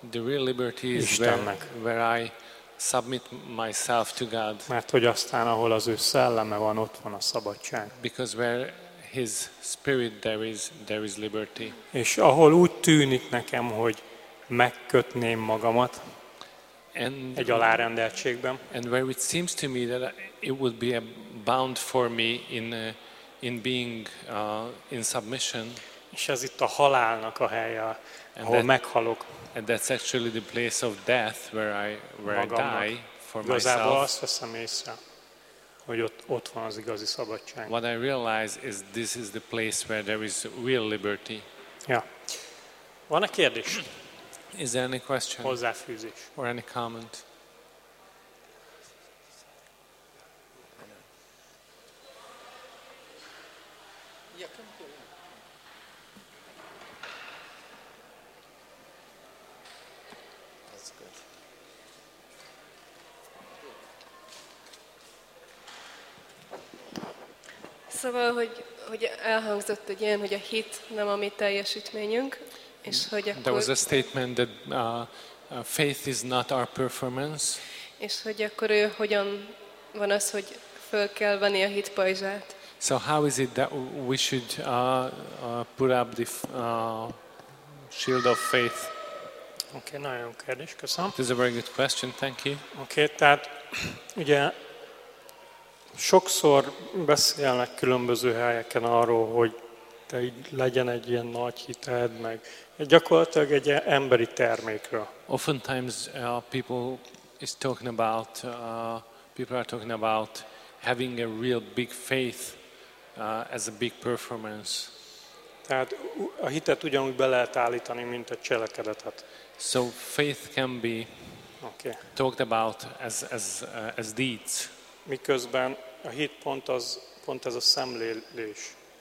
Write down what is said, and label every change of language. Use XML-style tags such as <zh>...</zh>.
<en>The real liberty is</en> <hu>Istennek.</hu> <en>Where I submit myself to God.</en> <hu>Mert hogy aztán, ahol az ő szelleme van, ott van a szabadság.</hu> <en>Because where his spirit there is liberty.</en> <hu>És ahol úgy tűnik nekem, hogy megkötném magamat egy alárendeltségben.</hu> <en>And where it seems to me that it would be a bound for me in being in submission.</en> <hu>És ez itt a halálnak a helye, ahol meghalok.</hu> <en>And that's actually the place of death where</en> <hu>magamnak.</hu> <en>I die for</en> <hu>igazából</hu> <en>myself.</en> <hu>Azt veszem észre, hogy ott van az igazi szabadság.</hu> <en>What I realize is this is the place where there is real liberty.</en> <hu>Ja. Van-e kérdés?</hu> <en>Is there any question?</en> <hu>Hozzáfűzés.</hu> <en>Or any comment?</en> <hu>Szóval, hogy elhangzott egy ilyen, hogy a hit nem a mi teljesítményünk, és hogy akkor...</hu> <en>There was a statement that faith is not our performance.</en> <hu>És hogy akkor ő hogyan van az, hogy föl kell venni a hit pajzsát.</hu> <en>So how is it that we should put up the shield of faith?</en> <hu>Okay, nagyon kérdés, köszönöm.</hu> <en>It is a very good question, thank you.</en> <hu>Okay, tehát ugye... Sokszor beszélnek különböző helyeken arról, hogy te így legyen egy ilyen nagy hited, meg gyakorlatilag egy emberi termékről.</hu> <en>Oftentimes people are talking about having a real big faith as a big performance.</en> <hu>Tehát a hitet ugyanúgy be lehet állítani, mint a cselekedetet.</hu> <en>So faith can be talked about as deeds.</en> <hu>Miközben a hit pont ez a szemlélés.</hu>